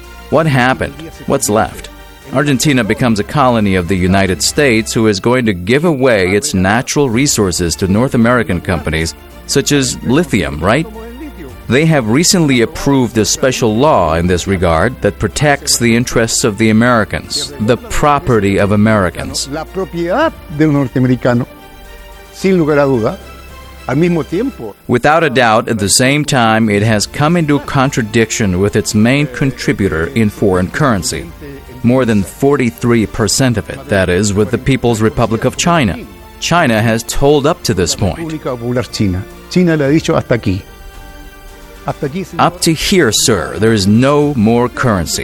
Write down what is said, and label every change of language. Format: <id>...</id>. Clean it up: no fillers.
<en>What happened? What's left? Argentina becomes a colony of the United States, who is going to give away its natural resources to North American companies, such as lithium, right? They have recently approved a special law in this regard that protects the interests of the Americans, the property of Americans.</en> <es>La propiedad del norteamericano, sin lugar a duda.</es> <en>Without a doubt, at the same time, it has come into contradiction with its main contributor in foreign currency, more than 43% of it, that is, with the People's Republic of China. China has told up to this point. Up to here, sir, there is no more currency.</en>